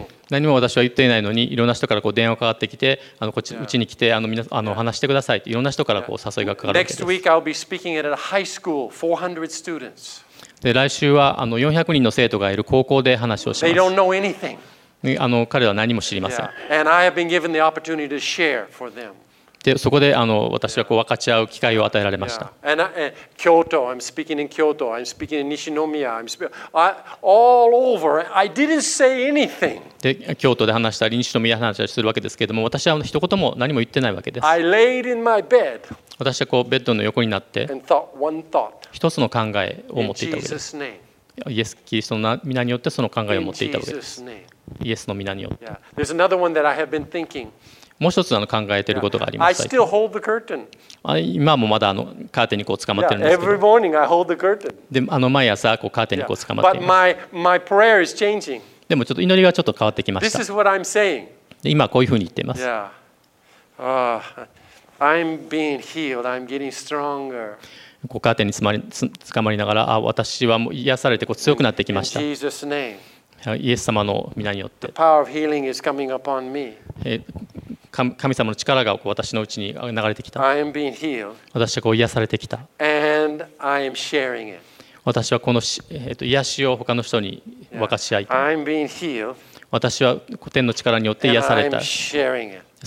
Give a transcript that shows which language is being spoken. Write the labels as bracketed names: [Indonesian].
[Japanese] 何も私は言っていないのに、いろんな人からこう電話かかってきて、あのこっち、うちに来て、あの皆あの話してくださいって、いろんな人からこう誘いがかかるわけです。 [English] Next week I'll be speaking at a high school, 400 students. [Japanese] で来週はあの400人の生徒がいる高校で話をします。 [English] They don't know anything. [Japanese] あの彼らは何も知りません。 [English] And I have been given the opportunity to share for them. [Japanese] でそこであの私はこう分かち合う機会を与えられました。 [English] 京都、I'm speaking in Kyoto, I'm speaking in Nishinomiya, I'm speaking all over. I didn't say anything. [Japanese] で京都で話したり西宮で話したりするわけですけれども、私は一言も何も言ってないわけです。 [English] I laid in my bed. [Japanese] 私はこうベッドの横になって、 [English] and thought one thought. [Japanese] 一つの考えを持っていたわけです。イエス・キリストの皆によってその考えを持っていたわけです。イエスの皆によって。 [English] Yeah. There's another one that I have been thinking. [Japanese] もう一つあの考えていることがあります。 [English] I still hold the curtain. [Japanese] 今もまだあのカーテンにこう捕まってるんですけど。 [English] Every morning I hold the curtain. [Japanese] で、あの毎朝こうカーテンにこう捕まっています。 [English] But my prayer is changing. [Japanese] でもちょっと祈りがちょっと変わってきました。 [English] This is what I'm saying. [Japanese] で、今こういうふうに言っています。 [English] Yeah. I'm being healed. I'm getting stronger. [Japanese] こうカーテンに捕まりながら、あ、私はもう癒されてこう強くなってきました。 [English] In Jesus' name. [Japanese] イエス様の御名によって [English] The power of healing is coming upon me. [Japanese] 神様の力がこう私のうちに流れてきた。 [English] I am being healed. [Japanese] 私はこう癒されてきた。 [English] And I am sharing it. [Japanese] 私はこの癒しを他の人に分かち合いたい。 [English] I am being healed. [Japanese] 私は古典の力によって癒された [English] い。And I am sharing it.